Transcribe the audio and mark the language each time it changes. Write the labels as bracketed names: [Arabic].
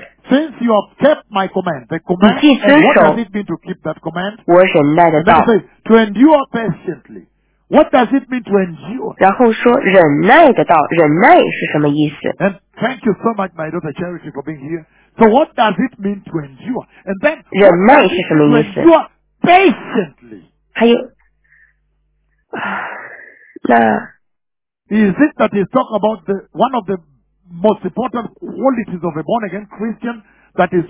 [English] since you have kept my command, the command, [Chinese] 你既遵守, [English] what does it mean to keep that command? [Chinese] 我忍耐的道, [English] says, to endure patiently. What does it mean to endure? [Chinese] 然后说, 忍耐的道, 忍耐是什么意思? [English] And thank you so much, my daughter Charity, for being here. So what does it mean to endure? And then, [Chinese] 忍耐是什么意思? [English] To endure patiently. [Chinese] 还有, 那, [English] is it that he's talking about the, one of the most important qualities of a born again Christian, that is